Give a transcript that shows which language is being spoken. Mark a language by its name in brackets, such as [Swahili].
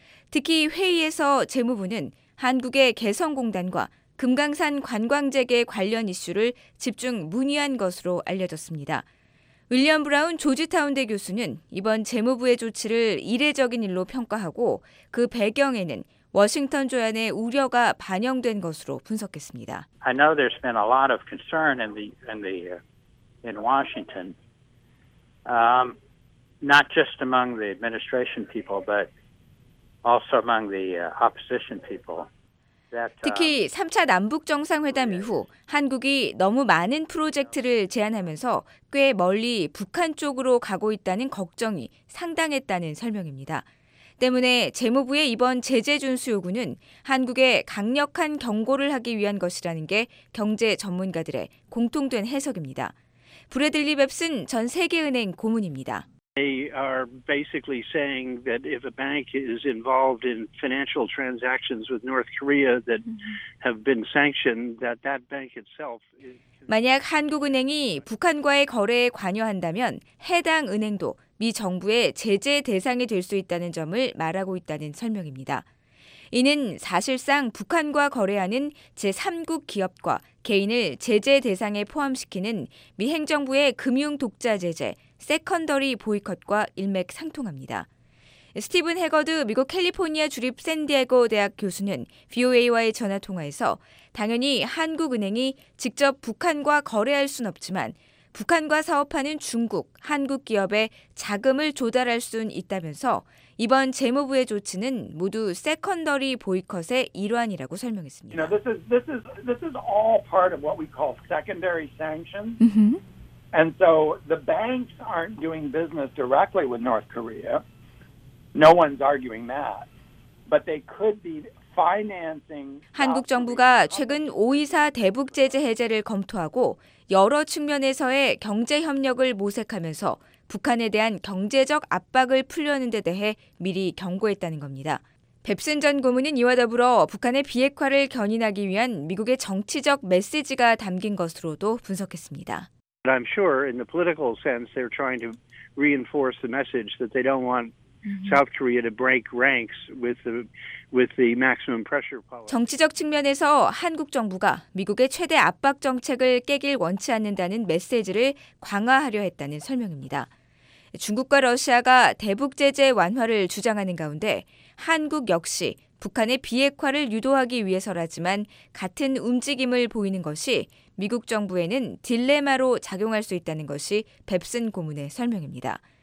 [Korean] 특히 회의에서 재무부는 한국의 개성공단과 금강산 관광재개 관련 이슈를 집중 문의한 것으로 알려졌습니다. 윌리엄 브라운 조지타운대 교수는 이번 재무부의 조치를 이례적인 일로 평가하고 그 배경에는 워싱턴 조약의 우려가 반영된 것으로 분석했습니다. [English] I know there's been a lot of concern in Washington. Not just among the administration people but also among the opposition people. [Korean] 특히 3차 남북정상회담 이후 한국이 너무 많은 프로젝트를 제안하면서 꽤 멀리 북한 쪽으로 가고 있다는 걱정이 상당했다는 설명입니다. 때문에 재무부의 이번 제재 준수 요구는 한국에 강력한 경고를 하기 위한 것이라는 게 경제 전문가들의 공통된 해석입니다. 브래들리 맵슨 전 세계은행 고문입니다. [English] They are basically saying that if a bank is involved in financial transactions with North Korea that have been sanctioned, that that bank itself is [Korean] 만약 한국은행이 북한과의 거래에 관여한다면 해당 은행도 미 정부의 제재 대상이 될 수 있다는 점을 말하고 있다는 설명입니다. 이는 사실상 북한과 거래하는 제3국 기업과 개인을 제재 대상에 포함시키는 미 행정부의 금융 독자 제재, 세컨더리 보이콧과 일맥상통합니다. 스티븐 해거드 미국 캘리포니아 주립 샌디에고 대학 교수는 VOA와의 전화 통화에서 당연히 한국은행이 직접 북한과 거래할 순 없지만 북한과 사업하는 중국, 한국 기업에 자금을 조달할 순 있다면서 이번 재무부의 조치는 모두 세컨더리 보이콧의 일환이라고 설명했습니다. [English] You know, this is all part of what we call secondary sanctions. And so the banks aren't doing business directly with North Korea. No one's arguing that. But they could be financing. [Korean] 한국 정부가 최근 5.24 대북 제재 해제를 검토하고 여러 측면에서의 경제 협력을 모색하면서 북한에 대한 경제적 압박을 풀려는 데 대해 미리 경고했다는 겁니다. 뱁슨 전 고문은 이와 더불어 북한의 비핵화를 견인하기 위한 미국의 정치적 메시지가 담긴 것으로도 분석했습니다. [English] I'm sure in the political sense they're trying to reinforce the message that they don't want South Korea to break ranks with the maximum pressure policy. [Korean] 정치적 측면에서 한국 정부가 미국의 최대 압박 정책을 깨길 원치 않는다는 메시지를 강화하려 했다는 설명입니다. 중국과 러시아가 대북 제재 완화를 주장하는 가운데 한국 역시 북한의 비핵화를 유도하기 위해서라지만 같은 움직임을 보이는 것이 미국 정부에는 딜레마로 작용할 수 있다는 것이 뱁슨 고문의 설명입니다.